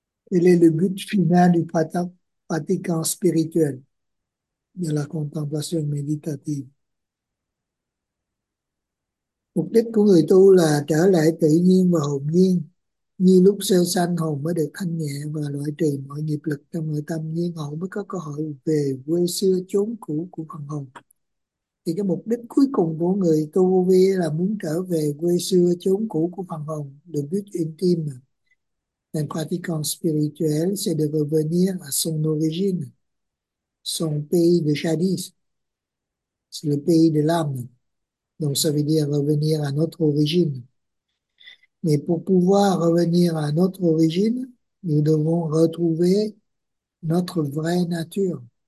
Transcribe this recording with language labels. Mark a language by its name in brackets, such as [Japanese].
[French] Quel est le but final du pratiquant spirituel, de la contemplation méditative? [Vietnamese] Mục đích của người tu là trở lại tự nhiên và hồn nhiên. Như lúc sơ sanh, hồn mới được thanh nhẹ và loại trừ mọi nghiệp lực trong nội tâm. Nhiên hậu mới có cơ hội về quê xưa chốn cũ của phần hồn. Thì cái mục đích cuối cùng của người tu vi là muốn trở về quê xưa chốn cũ của phần hồn, được biết intime. [French] Nền pratiquant spirituel, c'est de revenir à son origine, son pays de jadis, c'est le pays de l'âme. Donc, ça veut dire revenir à notre origine. Mais pour pouvoir revenir à notre origine, nous devons retrouver notre vraie nature.